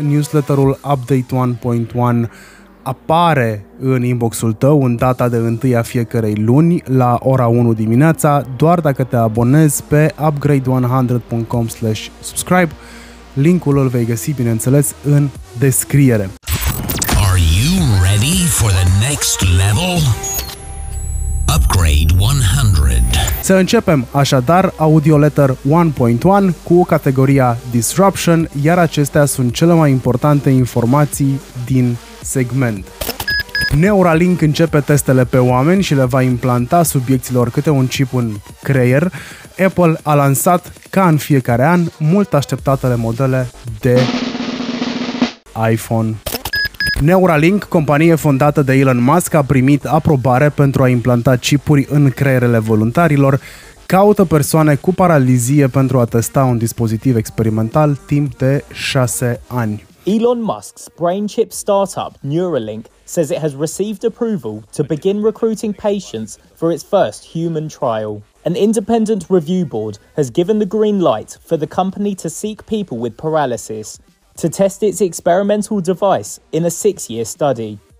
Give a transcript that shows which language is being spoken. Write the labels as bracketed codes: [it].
[ro] Newsletterul Update 1.1 apare în inbox-ul tău în data de 1 a fiecărei luni la ora 1 dimineața, doar dacă te abonezi pe upgrade100.com/subscribe. Linkul îl vei găsi, bineînțeles, în descriere. [en] Are you ready for the next level? Upgrade 100. [ro] Să începem așadar audioletter 1.1 cu categoria Disruption, iar acestea sunt cele mai importante informații din segment. Neuralink începe testele pe oameni și le va implanta subiecților câte un chip în creier. Apple a lansat, ca în fiecare an, mult așteptatele modele de iPhone. Neuralink, companie fondată de Elon Musk, a primit aprobare pentru a implanta chipuri în creierele voluntarilor. Caută persoane cu paralizie pentru a testa un dispozitiv experimental timp de 6 ani. [en] Elon Musk's brain chip startup Neuralink says it has received approval to begin recruiting patients for its first human trial. An independent review board has given the green light for the company to seek people with paralysis to test its experimental device in a 6-year study.